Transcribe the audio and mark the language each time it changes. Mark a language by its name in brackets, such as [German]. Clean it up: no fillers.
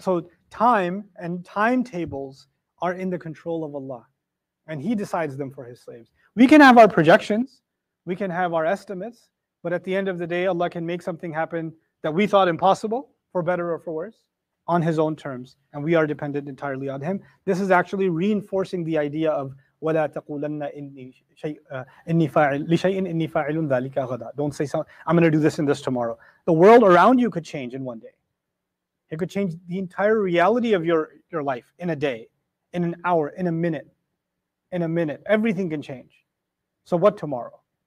[English] So time and timetables are in the control of Allah. And He decides them for His slaves. We can have our projections. We can have our estimates. But at the end of the day, Allah can make something happen that we thought impossible, for better or for worse, on His own terms. And we are dependent entirely on Him. This is actually reinforcing the idea of [Arabic] وَلَا تَقُولَنَّ إِنِّي فَاعِلٌ لِشَيْءٍ إِنِّي فَاعِلٌ ذَلِكَ غَدًا. [English] Don't say something, I'm going to do this and this tomorrow. The world around you could change in one day. It could change the entire reality of your life in a day, in an hour, in a minute. In a minute. Everything can change. So what tomorrow?